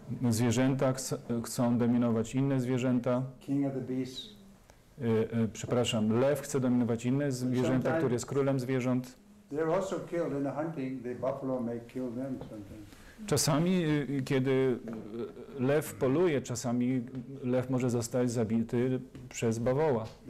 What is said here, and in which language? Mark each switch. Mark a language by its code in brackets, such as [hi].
[pl] zwierzęta, chcą dominować inne zwierzęta. [en] King of the beasts. [pl] Przepraszam, lew chce dominować inne zwierzęta, które jest królem zwierząt. [en] They're also killed in the hunting, the buffalo may kill them sometimes. [pl] Czasami, kiedy lew poluje, czasami lew może zostać zabity przez bawoła.